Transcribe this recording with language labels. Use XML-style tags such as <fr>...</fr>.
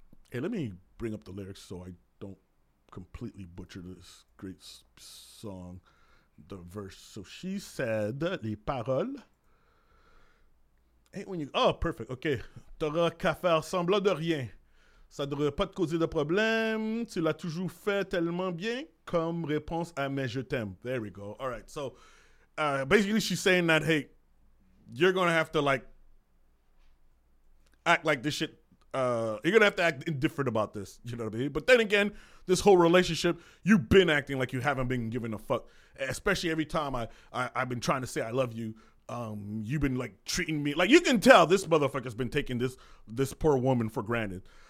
<en>Hey, let me bring up the lyrics so I don't completely butcher this great song, the verse. So she said,</en> <fr>les paroles...</fr> <en>Hey, when you, oh, perfect, okay.</en> <fr>T'auras qu'à faire semblant de rien. Ça devrait pas te causer de problème. Tu l'as toujours fait tellement bien comme réponse à mes je t'aime.</fr> <en>There we go. All right, so basically she's saying that, hey, you're going to have to like act like this shit. You're going to have to act indifferent about this. You know what I mean? But then again, this whole relationship, you've been acting like you haven't been giving a fuck. Especially every time I've been trying to say I love you. You've been like treating me like, you can tell this motherfucker's been taking this poor woman for granted.</en>